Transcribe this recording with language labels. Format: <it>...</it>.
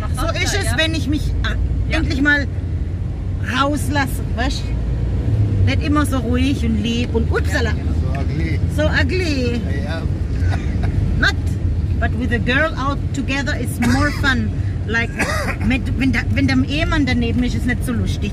<de>So ist es, wenn ich mich endlich mal rauslasse, weißt? Nicht immer so ruhig und lieb und upsala.</de> <en>So ugly. So ugly. Not, but with a girl out together it's more fun.</en> <de>Like, wenn der Ehemann daneben ist, ist es nicht so lustig.</de>